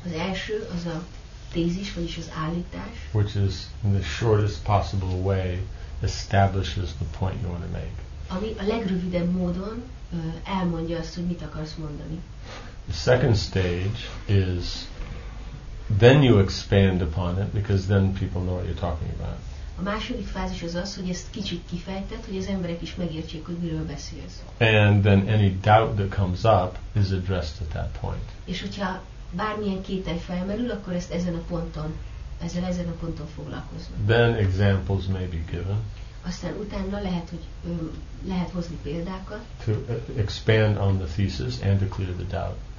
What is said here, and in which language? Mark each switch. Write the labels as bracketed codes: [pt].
[hu] Az első az a tézis, vagyis az állítás. [en] Which is in the shortest possible way establishes the point you want to make. [hu] Ami a legrövidebb módon elmondja azt, hogy mit akarsz mondani. [en] The second stage is then you expand upon it because then people know what you're talking about. [hu] A második fázis az, hogy ezt kicsit kifejtett, hogy az emberek is megértsék, hogy miről beszélsz. [en] And then any doubt that comes up is addressed at that point. [hu] És hogyha bármilyen kétel felmerül, akkor ezt ezen a ponton foglalkoznak. [en] Then examples may be given. [hu] Aztán utána lehet, hogy lehet hozni példákat. [en] To expand on the thesis and to clear the doubt.